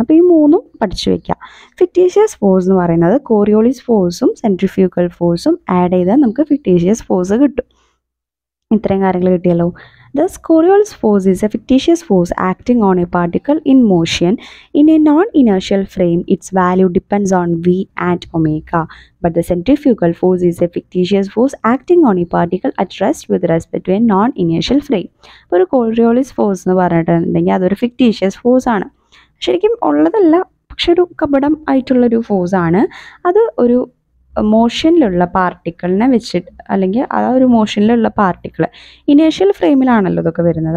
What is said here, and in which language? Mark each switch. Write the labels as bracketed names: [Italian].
[Malayalam] അപ്പോൾ ഈ മൂന്നും പഠിച്ചു വയ്ക്കുക. ഫിക്റ്റീഷ്യസ് ഫോഴ്സ് എന്ന് പറയുന്നത് കോറിയോളിസ് ഫോഴ്സും സെൻട്രിഫ്യൂഗൽ ഫോഴ്സും ആഡ് ചെയ്താൽ നമുക്ക് ഫിക്റ്റീഷ്യസ് ഫോഴ്സ് കിട്ടും. ഇത്രയും കാര്യങ്ങൾ കിട്ടിയല്ലോ. [English] Thus, Coriolis force is a fictitious force acting on a particle in motion. In a non-inertial frame, its value depends on V and omega. But the centrifugal force is a fictitious force acting on a particle at rest with respect to a non-inertial frame. [Malayalam] ഒരു Coriolis force എന്ന് പറഞ്ഞിട്ടുണ്ടെങ്കിൽ അതൊരു fictitious force ആണ്. ശരിക്കും ഉള്ളതല്ല, പക്ഷെ ഒരു കപടം ആയിട്ടുള്ളൊരു ഫോഴ്സ് ആണ്. അത് ഒരു മോഷനിലുള്ള പാർട്ടിക്കിളിനെ വെച്ചിട്ട്, അല്ലെങ്കിൽ ആ ഒരു മോഷനിലുള്ള പാർട്ടിക്കിൾ ഇനീഷ്യൽ ഫ്രെയിമിലാണല്ലോ ഇതൊക്കെ വരുന്നത്.